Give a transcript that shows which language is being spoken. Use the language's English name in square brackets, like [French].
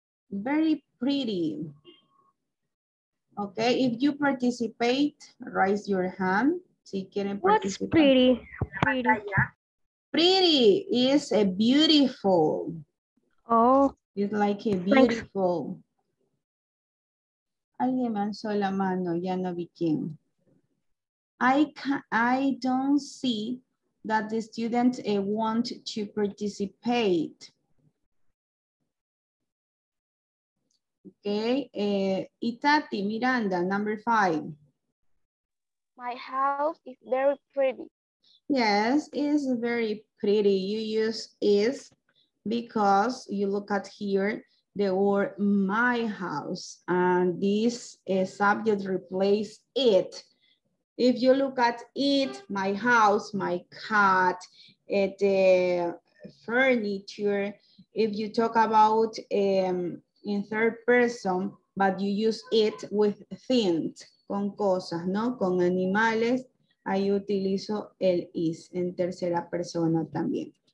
[English] Very pretty. Okay, if you participate, raise your hand. [Spanish] Si quieren participar. [English] What's pretty? Pretty is a beautiful. Oh. It's like a beautiful. Thanks. [Spanish] Alguien me alzó la mano, ya no vi quién. [English] I don't see that the students want to participate. Okay, Itati Miranda, number five. My house is very pretty. Yes, it's very pretty. You use is because you look at here the word my house and this subject replaced it. If you look at it, my house, my cat, the furniture, if you talk about in third person, but you use it with things, [Spanish] con cosas, ¿no? Con animales, ahí utilizo el is en tercera persona también.